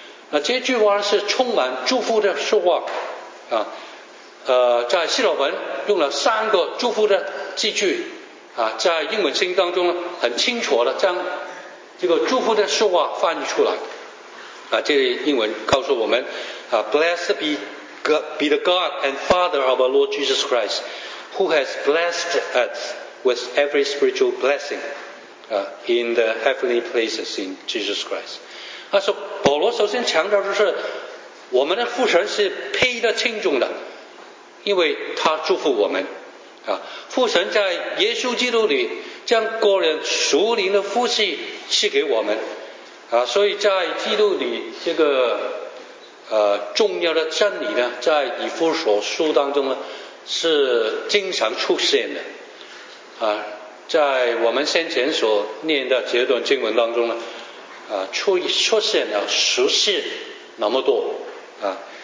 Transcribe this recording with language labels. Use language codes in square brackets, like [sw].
[zh] 那这句话是充满祝福的说话啊。在希腊文用了三个祝福的字句啊，在英文圣经当中很清楚的将这个祝福的说话翻译出来啊。这里英文告诉我们啊 [en] ，Blessed be the God and Father of our Lord Jesus Christ, who has blessed us with every spiritual blessing in the heavenly places in Jesus Christ。 [zh] 他说，保罗首先强调的是，我们的父神是配得敬重的。因为他祝福我们啊，父神在耶稣基督里将个人属灵的福气赐给我们啊，所以在基督里这个重要的真理呢，在以弗所书当中呢是经常出现的啊，在我们先前所念的这段经文当中呢啊出现了十次那么多啊。